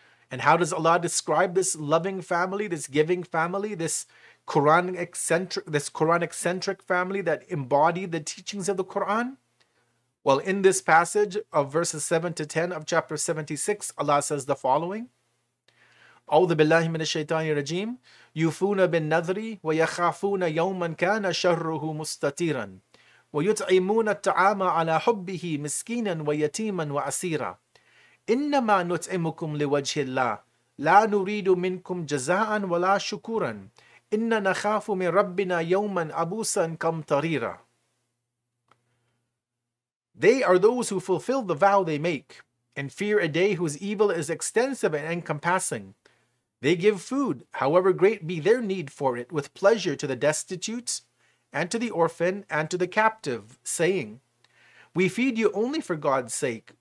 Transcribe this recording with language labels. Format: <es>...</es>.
<en>And how does Allah describe this loving family, this giving family, this Quranic-centric family that embodied the teachings of the Quran? Well, in this passage of verses 7 to 10 of chapter 76, Allah says the following.</en> <ar>أعوذ بالله من الشيطان الرجيم يوفون بالنذر ويخافون يوما كان شره مستطيرا ويطعمون الطعام على حبه مسكينا ويتيما وأسيرا إنما نطعمكم لوجه الله لا نريد منكم جزاء ولا شكورا إننا نخاف من ربنا يوما عبوسا كمطريرا.</ar> <en>They are those who fulfill the vow they make and fear a day whose evil is extensive and encompassing. They give food, however great be their need for it, with pleasure to the destitute and to the orphan and to the captive, saying, We feed you only for God's sake.</en>